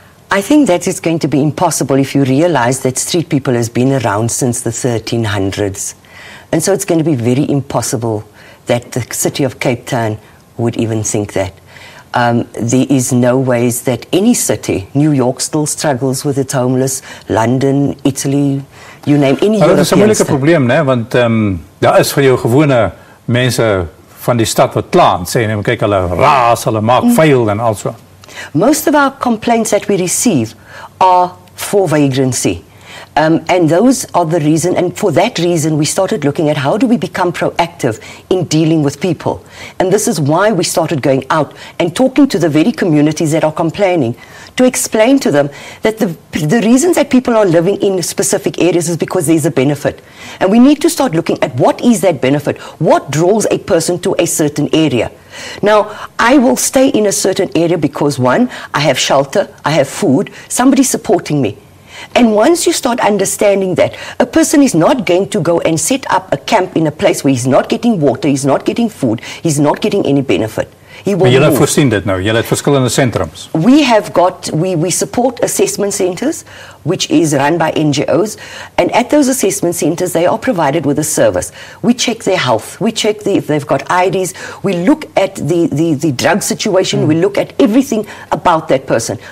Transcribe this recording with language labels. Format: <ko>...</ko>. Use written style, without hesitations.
<en>I think that is going to be impossible if you realize that street people has been around since the 1300s. And so it's going to be very impossible that the city of Cape Town would even think that. There is no ways that any city, New York still struggles with its homeless, London, Italy, you name any</en> <af>European. Dit is 'n moeilike probleem, né? Want daar is vir jou gewone mense van die stad wat klaan, sê, en kyk, hulle raas, hulle maak vuil en al so.</af> <en>Most of our complaints that we receive are for vagrancy. And those are the reason, and for that reason we started looking at how do we become proactive in dealing with people. And this is why we started going out and talking to the very communities that are complaining, to explain to them that the reasons that people are living in specific areas is because there's a benefit. And we need to start looking at what is that benefit, what draws a person to a certain area. Now, I will stay in a certain area because one, I have shelter, I have food, somebody's supporting me. And once you start understanding that, a person is not going to go and set up a camp in a place where he's not getting water, he's not getting food, he's not getting any benefit. He will move.</en> <af>Maar jy het voorsien dit nou, jy het verskillende sentrums.</af> <en>We have got, we support assessment centers, which is run by NGOs, and at those assessment centers, they are provided with a service. We check their health, we check if they've got IDs, we look at the drug situation, we look at everything about that person.</en>